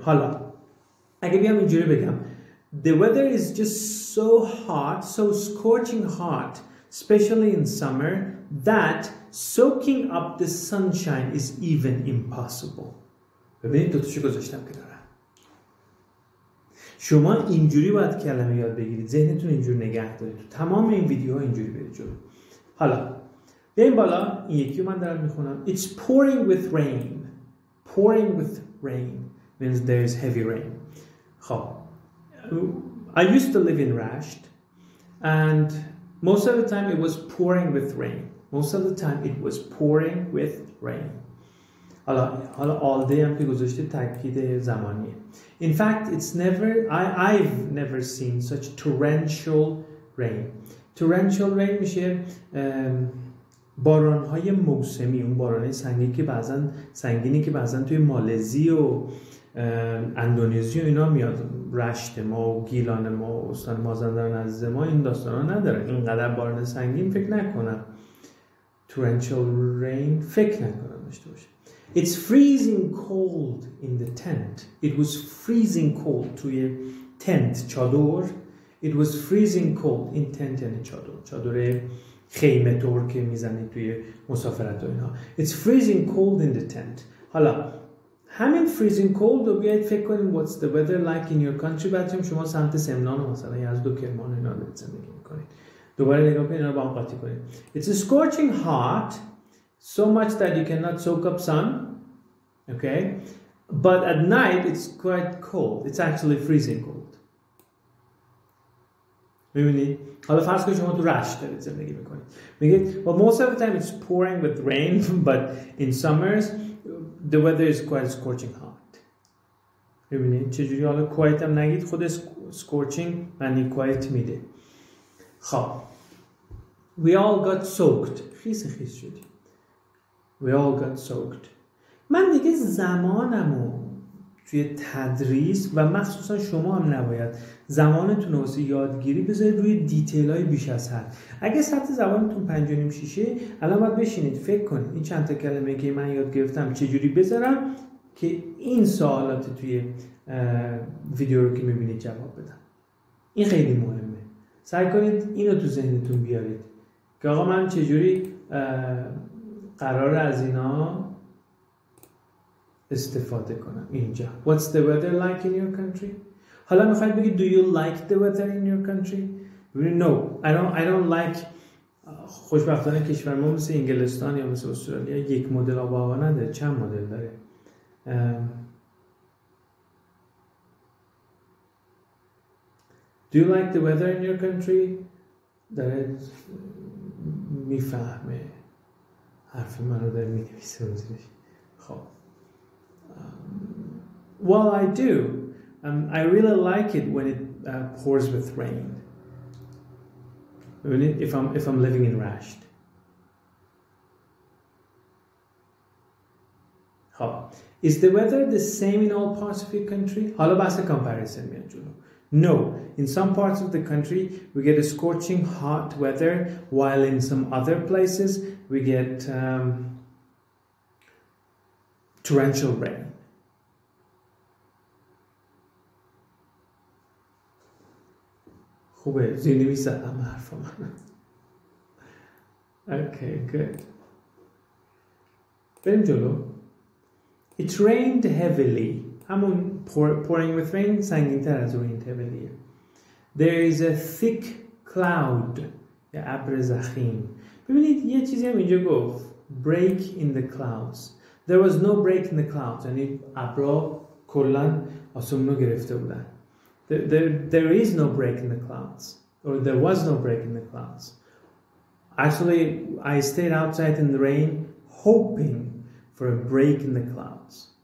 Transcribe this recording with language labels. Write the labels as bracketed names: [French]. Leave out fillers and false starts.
[Persian] حالا اگه بیام اینجوری بگم [English] The weather is just so hot، so scorching hot، especially in summer، that soaking up the sunshine is even impossible. [Persian] ببینید دوتا چی گذاشتم که دارم. شما اینجوری باید کلمه یاد بگیرید، ذهنتون اینجور نگه دارید، تمام این ویدیوها اینجوری برید جلو. حالا بیاییم بالا، این یکی رو من دارم میخونم. [English] It's pouring with rain، pouring with rain means there is heavy rain. خب I used to live in Rasht and most of the time it was pouring with rain، most of the time it was pouring with rain. [Persian] حالا all day هم که گذاشته تاکید زمانیه. [English] In fact it's never I've never seen such torrential rain. [Persian] Torrential rain میشه باران‌های موسمی، اون باران‌های سنگی که بعضن سنگینی که بعضن توی مالزی و اندونزی و اینا میاد، رشت ما و گیلان ما و استان مازندران عزیز ما این داستانا ندارن. اینقدر باران سنگین فکر نکنم، torrential rain فکر نکنم داشته باشه. [English] It's freezing cold in the tent. It was freezing cold، [Persian] توی تنت چادر. [English] It was freezing cold in tent، [Persian] یعنی چادر، چادر خیمه طور که میزنید توی مسافرت و اینا. [English] It's freezing cold in the tent. [Persian] حالا همین [English] freezing cold [Persian] رو بیاید فکر کنیم [English] what's the weather like in your country. [Persian] بچه‌ها شما سمت سمنان و مثلا یزد و کرمان اینا رو زندگی میکنید، دوباره نگاه کنید، اینا رو با هم قاطی کنید. [English] It's a scorching hot، so much that you cannot soak up sun. Okay. But at night it's quite cold. It's actually freezing cold. [Persian] می‌بینید؟ حالا فرض کنید شما تو رشت دارید زندگی می‌کنید. [English] می‌گید well, most of the time it's pouring with rain but in summers the weather is quite scorching hot. [Persian] می‌بینید؟ چجوری حالا quite هم نگید، خود scorching معنی quite میده. [English] خب We all got soaked. [Persian] خیس خیس شدید. [English] We all got soaked. [Persian] من دیگه زمانمو توی تدریس و مخصوصا شما هم نباید زمانتون رو واسه یادگیری بذارید روی دیتیل‌های بیش از حد. اگه سطح زبانتون 5.5-6ه الان باید بشینید فکر کنید این چند تا کلمه که من یاد گرفتم چجوری بذارم که این سوالات توی ویدیو رو که میبینید جواب بدم. این خیلی مهمه. سعی کنید اینو تو ذهنتون بیارید که آقا من چجوری قرار از اینا استفاده کنم. [English] اینجا What's the weather like in your country? [Persian] حالا میخواید بگید [English] Do you like the weather in your country? No, I don't like. [Persian] خوشبختانه کشور ما مثل انگلستان یا مثل استرالیا یک مدل آب و هوا نداره، چند مدل داره. [English] Do you like the weather in your country? [Persian] داره میفهمه حرف من رو، داره مینویسه روزیش. [English] خب Well, I do. I really like it when it pours with rain. If I'm living in Rasht. خب Is the weather the same in all parts of your country? [Persian] حالا بحث کمپاریزن میاد جلو. [English] No, in some parts of the country we get a scorching hot weather, while in some other places we get torrential rain. [Persian] خوبه زینی می زدم حرف من. [English] Okay, good. [Persian] بریم جلو. [English] It rained heavily. [Persian] همون pouring with rain سنگین تر از rained heavily. [English] There is a thick cloud. [Persian] یا ابر ضخیم. ببینید یه چیزی هم اینجا گفت. [English] Break in the clouds. There was no break in the clouds. [Persian] یعنی ابرا کلن آسمون رو گرفته بودن. [English] There is no break in the clouds. Or there was no break in the clouds. Actually, I stayed outside in the rain hoping for a break in the clouds.